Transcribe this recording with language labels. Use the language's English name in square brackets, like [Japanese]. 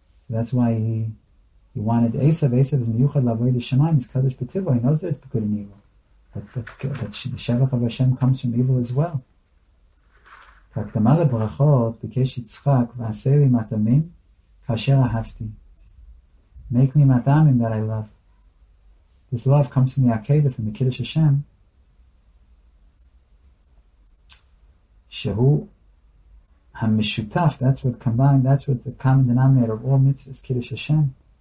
[English] That's why he wanted Esav. Esav is miyuchad l'avoid Hashemayim. He's kadosh b'tivo. He knows that it's good and evil. But the shevach of Hashem comes from evil as well. [Hebrew] בהקדמה לברכות ביקש יצחק ועשה לי מטעמים כאשר אהבתי. [English] Make me מטעמים that I love. This love comes from the Akedah, from the Kiddush Hashem, [Hebrew] שהוא המשותף, [English] that's what combined, that's what the common denominator of all mitzvahs, Kiddush Hashem.